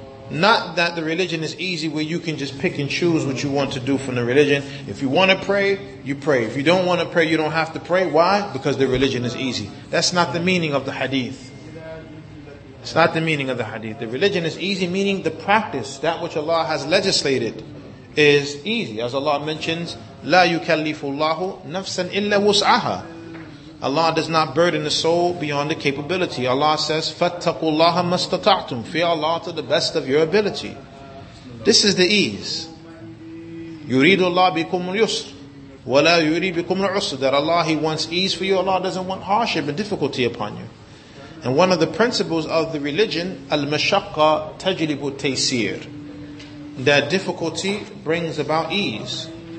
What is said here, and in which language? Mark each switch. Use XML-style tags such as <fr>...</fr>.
<en>Not that the religion is easy where you can just pick and choose what you want to do from the religion. If you want to pray, you pray. If you don't want to pray, you don't have to pray. Why? Because the religion is easy. That's not the meaning of the hadith. It's not the meaning of the hadith. The religion is easy, meaning the practice, that which Allah has legislated, is easy. As Allah mentions,</en> <ar>لا يكلف الله نفسا إلا وسعها.</ar> <en>Allah does not burden the soul beyond the capability. Allah says,</en> <ar>فَاتَّقُوا اللَّهَ مَا اسْتَطَعْتُمْ.</ar> <en>Fear Allah to the best of your ability. This is the ease.</en> <ar>يُرِيدُ اللَّهَ بِكُمُ الْيُسْرِ وَلَا يُرِيدُ بِكُمُ الْعُسْرِ.</ar> <en>That Allah, He wants ease for you. Allah doesn't want hardship and difficulty upon you. And one of the principles of the religion,</en> <ar>al-mashaqqa tajlibu taysir,</ar> <en>that difficulty brings about ease.</en>